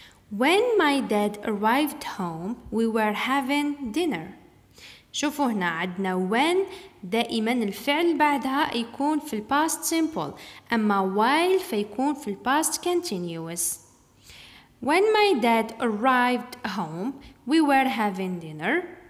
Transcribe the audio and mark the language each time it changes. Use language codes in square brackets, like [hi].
[en] When my dad arrived home, we were having dinner. [ar] شوفوا هنا عدنا when دائما الفعل بعدها يكون في الباست سيمبل، أما while فيكون في الباست كنتينيوس. [en] When my dad arrived home, we were having dinner.